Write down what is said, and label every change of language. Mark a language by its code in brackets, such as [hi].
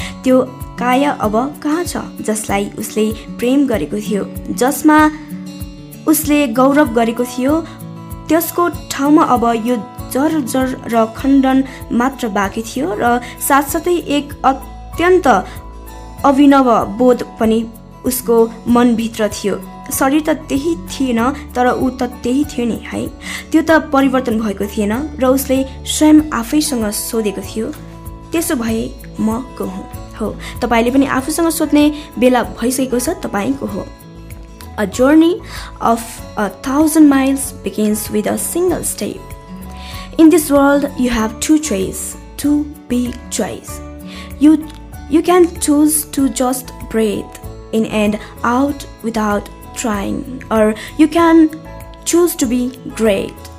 [ne] त्यो काय अब कहाँ छ जसलाई उसले प्रेम गरेको थियो, जसमा उसले गौरव गरेको थियो? त्यसको ठाउँमा अब यो जर्जर र खण्डन मात्र बाँकी थियो, र साथसाथै एक अत्यन्त अभिनव बोध पनि उसको मनभित्र थियो। शरीर त त्यही थिएन, तर ऊ त त्यही थियो नि है। त्यो त परिवर्तन भएको थिएन, र उसले स्वयं आफैसँग सोधेको थियो, त्यसो भए म को हुँ? हो, तपाईँले पनि आफूसँग सोध्ने बेला भइसकेको छ, तपाईँको हो। [en] A journey of 1,000 miles begins with a single step. In this world, you have two choices, two big choices. You can choose to just breathe in and out without trying, or you can choose to be great.